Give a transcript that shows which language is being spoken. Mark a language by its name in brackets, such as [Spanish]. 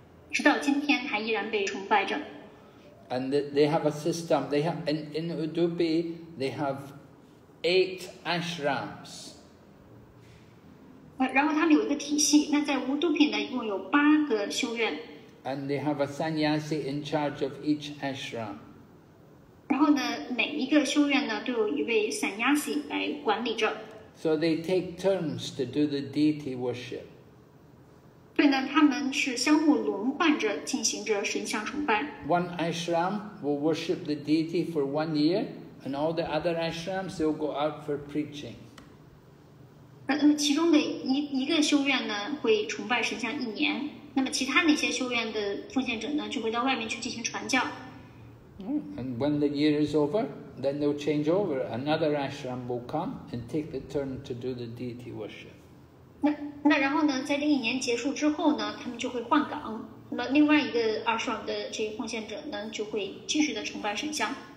[Chinese] 直到今天还依然被崇拜着。 [English] And they have a system. They have in Udupi, they have 8 ashrams. [Chinese] 然后他们有一个体系。那在乌杜比呢，一共有八个修院。 [English] And they have a sannyasi in charge of each ashram. [Chinese] 然后呢，每一个修院呢，都有一位 sannyasi 来管理着。 [English] So they take turns to do the deity worship. [Chinese] 所以呢，他们是相互轮换着进行着神像崇拜。 [English] One ashram will worship the deity for 1 year, and all the other ashrams will go out for preaching. [Chinese] 那么其中的一个修院呢，会崇拜神像一年，那么其他那些修院的奉献者呢，就会到外面去进行传教。 [English] And when the year is over, then they'll change over. Another ashram will come and take the turn to do the deity worship. [Chinese] 那然后呢，在另一年结束之后呢，他们就会换岗。那么另外一个二十万的这些奉献者呢，就会继续的崇拜神像。